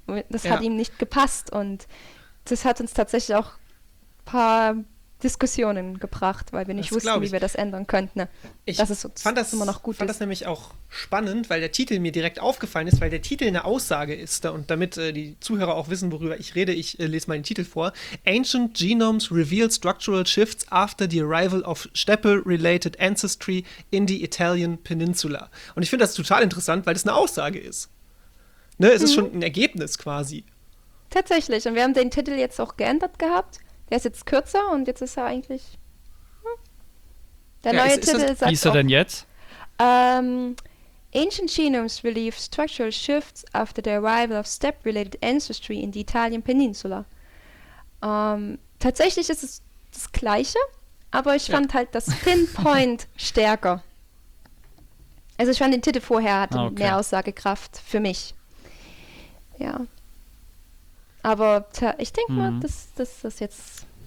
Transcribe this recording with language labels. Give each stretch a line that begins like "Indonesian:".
German: Das hat ihm nicht gepasst. Und das hat uns tatsächlich auch ein paar Diskussionen gebracht, weil wir nicht wussten, wie wir das ändern könnten. Ich fand das immer noch gut. Ich fand das nämlich auch spannend, weil der Titel mir direkt aufgefallen ist, weil der Titel eine Aussage ist. Und damit die Zuhörer auch wissen, worüber ich rede, ich lese mal den Titel vor.
English: Ancient Genomes Reveal Structural Shifts After the Arrival of Steppe-Related Ancestry in the Italian Peninsula.
German: Und ich finde das total interessant, weil das eine Aussage ist. Ne, es ist schon ein Ergebnis quasi. Tatsächlich. Und wir haben den Titel jetzt auch geändert gehabt. Er ist jetzt kürzer und jetzt ist er eigentlich der neue Titel. Wie ist er denn jetzt?
English: Ancient Genomes Relieve Structural Shifts After the Arrival of Step-Related Ancestry in the Italian Peninsula.
German: Tatsächlich ist es das Gleiche, aber ich fand halt das Pinpoint stärker. Also ich fand den Titel vorher hatte mehr Aussagekraft für mich. Ja. Aber ich denke mal, das ist jetzt.